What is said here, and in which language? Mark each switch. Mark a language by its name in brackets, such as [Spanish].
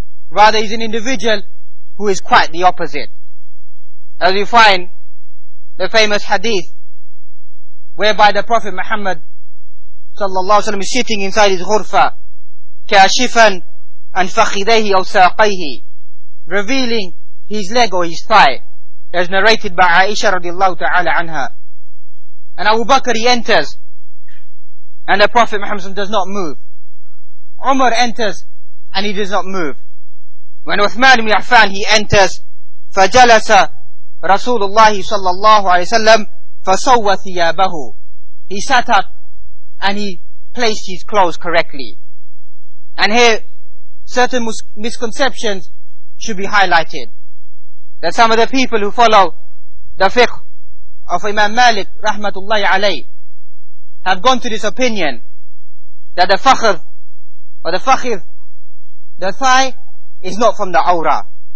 [English] Rather, he is an individual who is quite the opposite. As we find the famous hadith whereby the Prophet Muhammad sallallahu alaihi wasallam is sitting inside his ghurfa, [Arabic] kashifan an fakhidayhi aw saqayhi, [English] revealing his leg or his thigh, as narrated by Aisha radiallahu ta'ala anha. And Abu Bakr, he enters, and the Prophet Muhammad does not move. Umar enters, and he does not move. When Uthman ibn Affan, he enters, [Arabic] فَجَلَسَ رَسُولُ اللَّهِ صَلَّى اللَّهُ عَلَيْهِ وَسَلَّمْ فَصَوَّ ثِيَابَهُ. [English] He sat up, and he placed his clothes correctly. And here, certain misconceptions should be highlighted, that some of the people who follow the fiqh of Imam Malik rahmatullahi alayh have gone to this opinion that the fakhr or the fakhir, the thigh, is not from the awrah.